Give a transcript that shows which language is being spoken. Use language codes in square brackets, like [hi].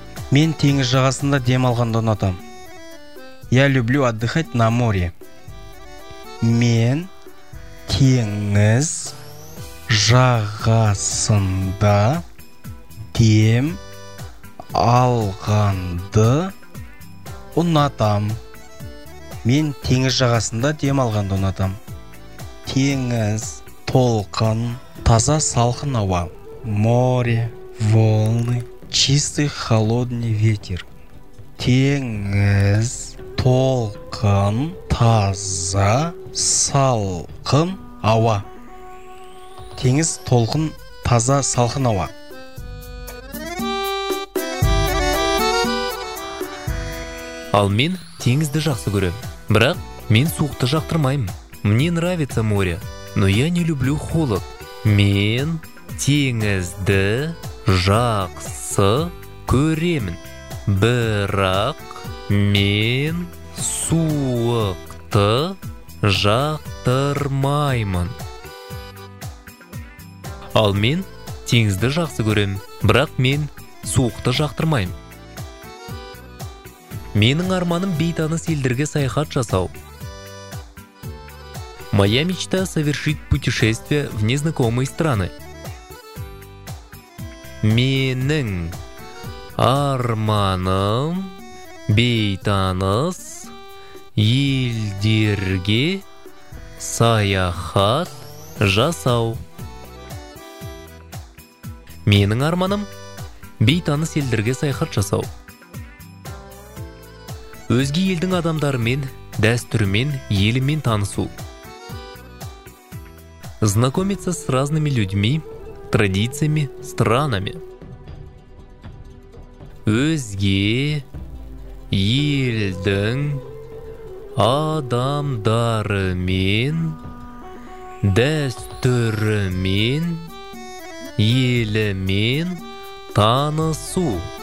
[kk] Мен теңіз жағасында демалғанды ұнатам. [ru] Я люблю отдыхать на море. [kk] Мен теңіз жағасында дем алғанды ұнатам. Мен теңіз жағасында демалғанды ұнатам. Теңіз, толқын, таза салқын ауа, [ru] море, волны, чистый холодный ветер. [kk] Теңіз, толқын, таза салқын ауа. Теңіз, толқын, таза салқын ауа. Ал мен теңізді жақсы көрем. Бірақ, мен суықты жақтырмаймын. [ru] Мне нравится море, но я не люблю холод. [kk] Мен теңізді жақсы көремін. Бірақ, мен суықты жақтырмаймын. Ал мен теңізді жақсы көремін. Бірақ, мен суықты жақтырмаймын. Менің арманым бейтаныс елдерге саяхат жасау. [ru] Моя мечта – совершить путешествие в незнакомые страны. [kk] Менің арманым бейтаныс елдерге саяхат жасау. Менің арманым бейтаныс елдерге саяхат жасау. Өзге елдің адамдарымен, дәстүрімен, елімен танысу. [ru] Знакомиться с разными людьми, традициями, странами. [kk] Өзге елдің адамдарымен, дәстүрімен, елімен танысу.